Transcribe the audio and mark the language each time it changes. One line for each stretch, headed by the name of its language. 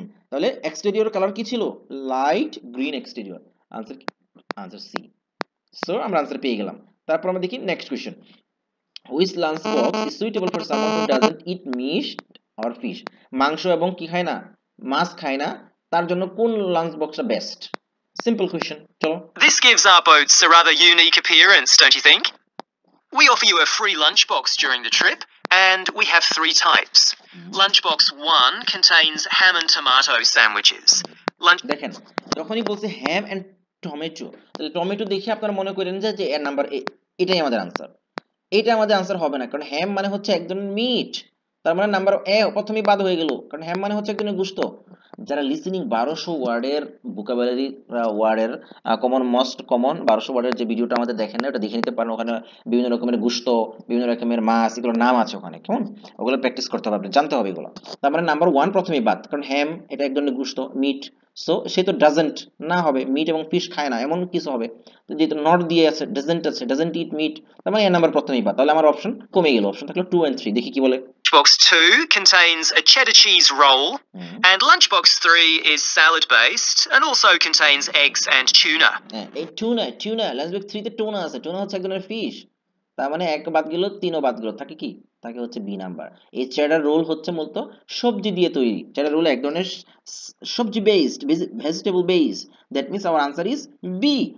Bangla: তাহলে exterior colour কি ছিল, লাইট গ্রিন এক্সটেরিয়র, আনসার কি, আনসার সি, সো আমরা আনসার পেয়ে গেলাম। তারপর আমরা দেখি next question,
English: which lunch box is suitable for someone who doesn't eat meat or fish,
Bangla: মাংস এবং কি খায় না মাছ খায় না, তার জন্য কোন lunch box টা বেস্ট, সিম্পল কোশ্চেন। চলো,
English: this gives our boats a rather unique appearance, don't you think? We offer you a free lunch box during the trip and we have three types. Lunch box 1 contains ham and tomato sandwiches. Lunch
Bangla: দেখেন যখনই বলছে
English: ham and tomato,
Bangla: তাহলে tomato দেখে আপনারা মনে করেন যে এর নাম্বার এ, এটাই আমাদের আনসার, এটা আমাদের আনসার হবে না কারণ হ্যাম মানে হচ্ছে একজন মিট, তার মানে নাম্বার এ প্রথমেই বাদ হয়ে গেল কারণ হ্যাম মানে হচ্ছে একজন গোশত। যারা লিসেনিং 1200 ওয়ার্ডের ভোকাবুলারি ওয়ার্ডের কমন মোস্ট কমন 1200 ওয়ার্ডের যে ভিডিওটা আমাদের দেখেন না, ওটা দেখে নিতে পারেন, ওখানে বিভিন্ন রকমের গোশত, বিভিন্ন রকমের মাছ এগুলোর নাম আছে ওখানে, কেমন ওগুলো প্র্যাকটিস করতে হবে, আপনি জানতে হবে এগুলো। তার মানে নাম্বার ওয়ান প্রথমেই বাদ কারণ হ্যাম এটা একজন গোশত মিট, সো সে তো ডাজেন্ট না হবে, মিট এবং ফিশ খায় না এমন কিছু হবে, যেহেতু নট দিয়ে আছে ডাজেন্ট আছে,
English: doesn't it meet,
Bangla: তার মানে এ নাম্বার প্রথমেই বাদ, তাহলে আমার অপশন কমে গেল, অপশন থাকলো টু অ্যান্ড থ্রি। দেখি কি বলে,
English: Lunchbox 2 contains a cheddar cheese roll, and lunchbox 3 is salad based and also contains eggs and tuna.
Bangla: Tuna, lunchbox 3 তে tuna আছে, tuna হচ্ছে একজনের fish, তার মানে এক বাদ গেল তিনও বাদ গেল, থাকে কি, তাকে হচ্ছে বি নাম্বার। এই চেডার রোল হচ্ছে মূলত সবজি দিয়ে তৈরি, চেডার রোল এক ধরনের সবজি based vegetable base,
English: That means our answer is B.